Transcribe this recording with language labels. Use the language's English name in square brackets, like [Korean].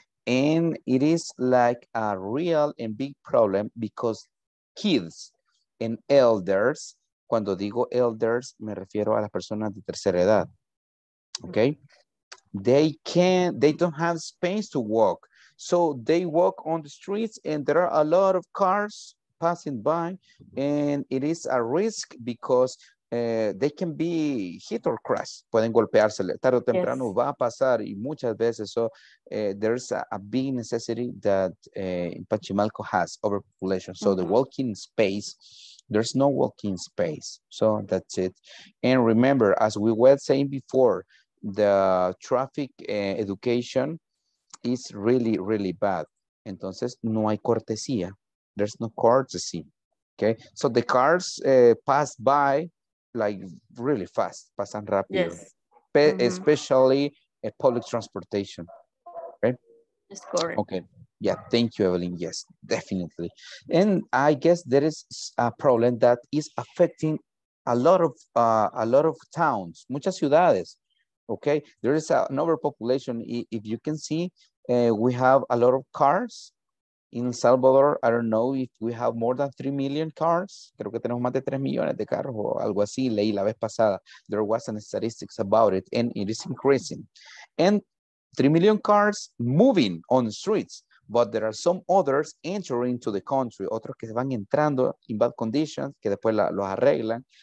[English] And it is like a real and big problem because kids and elders, [Spanish] cuando digo elders, me refiero a las personas de tercera edad. [English] Okay? They don't have space to walk. So they walk on the streets and there are a lot of cars passing by. And it is a risk because they can be hit or crashed. [Spanish] Pueden golpeársele. Tarde o temprano yes. va a pasar y muchas veces. [English] So there's a big necessity that Pachimalco has overpopulation. So mm-hmm. the walking space, there's no walking space. So that's it. And remember, as we were saying before, the traffic education is really, really bad. [Spanish] Entonces, no hay cortesía. [English] There's no courtesy. [Spanish] Okay. [English] So the cars pass by. Like really fast, [Spanish] pasan rápido. [English] Yes. Mm-hmm. Especially a public transportation, right? It's correct. Okay, yeah, thank you, Evelyn. Yes, definitely. And I guess there is a problem that is affecting a lot of towns, [Spanish] muchas ciudades, [English] okay? There is an overpopulation. If you can see, we have a lot of cars in Salvador. I don't know if we have more than 3 million cars. [Spanish] Creo que tenemos más de 3 millones de carros o algo así. Leí la vez pasada. [English] There was some statistics about it and it is increasing. And 3 million cars moving on the streets, but there are some others entering to the country. [Spanish] Otros que van entrando [English] in bad conditions, [Spanish] que después los arreglan.